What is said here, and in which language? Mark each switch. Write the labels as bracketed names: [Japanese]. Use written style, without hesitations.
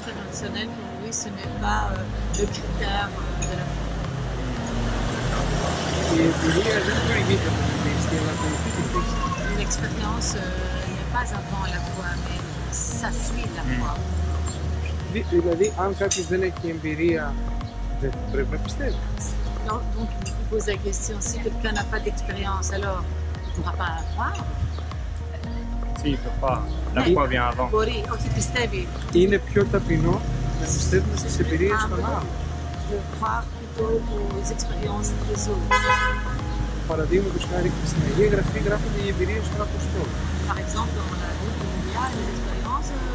[French] personnelle pour lui, ce n'est pas le critère de la foi. L'expérience n'est pas avant la foi, mais ça suit la foi. [Greek] Δηλαδή, αν κάποιος δεν έχει εμπειρία, δεν πρέπει να πιστεύει. [French] Non, donc, il me pose la question, si quelqu'un n'a pas d'expérience, alors il ne pourra pas croire. Si, il ne peut pas. La foi vient avant. [Greek] Μπορεί, όχι, πιστεύει. Είναι πιο ταπεινό να πιστεύουμε στις εμπειρίες των άλλων. [French] De croire plutôt aux expériences des autres. [Greek] Παραδείγματος χάρη, στην Αγία Γραφή γράφονται οι εμπειρίες των Αποστόλων. [French] Par exemple, on a vu qu'il y a une expérience.